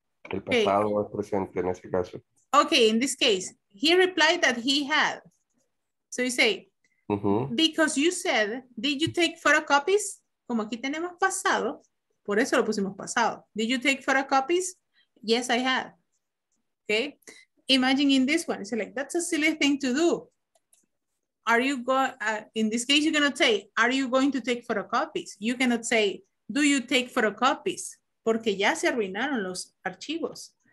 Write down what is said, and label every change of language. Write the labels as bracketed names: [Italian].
[Spanish] El pasado o el presente en ese caso. [English] Okay, in this case, he replied that he had. So you say, because you said, did you take photocopies? [Spanish] Como aquí tenemos pasado, por eso lo pusimos pasado. [English] Did you take photocopies? Yes, I had. Okay, imagine in this one, it's like, that's a silly thing to do. Are you going, in this case, you're going to say, are you going to take photocopies? You cannot say, do you take photocopies? [Spanish] Porque ya se arruinaron los archivos.